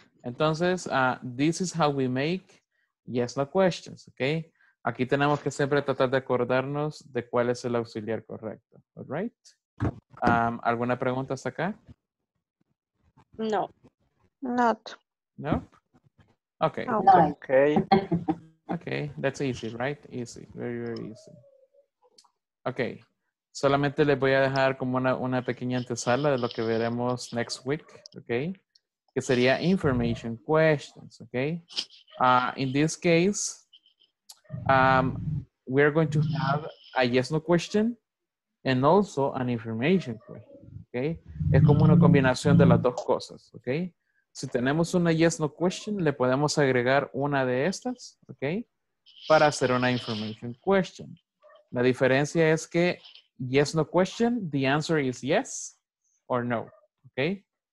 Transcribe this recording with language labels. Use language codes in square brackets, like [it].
[es] Entonces, [en] this is how we make yes, no questions, okay? [es] Aquí tenemos que siempre tratar de acordarnos de cuál es el auxiliar correcto, [en] all right? [es] ¿Alguna pregunta hasta acá? No. [en] Not. Nope. Okay. Okay. Okay. That's easy, right? Easy. Very, very easy. Okay. [es] Solamente les voy a dejar como una pequeña antesala de lo que veremos [en] next week, [es] okay? Que sería information questions, okay? [en] In this case, we're going to have a yes no question and also an information question. Okay. [es] Es como una combinación de las dos cosas, ¿ok? Si tenemos una yes no question, le podemos agregar una de estas, ¿ok? Para hacer una information question. La diferencia es que yes no question, [en] the answer is yes or no, [es] ¿ok?